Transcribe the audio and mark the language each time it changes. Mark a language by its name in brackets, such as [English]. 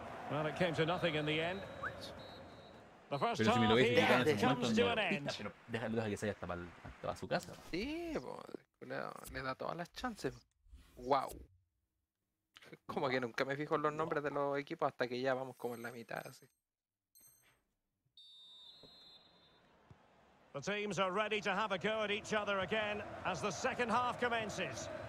[English] Well, it came to nothing in the end. The first time he comes to an end. [Spanish] Déjalo que se haya hasta para su casa. Sí, le da todas las chances. Wow. Como que nunca me fijo en los nombres de los equipos hasta que ya vamos como en la mitad, así. [English] The teams are ready to have a go at each other again as the second half commences.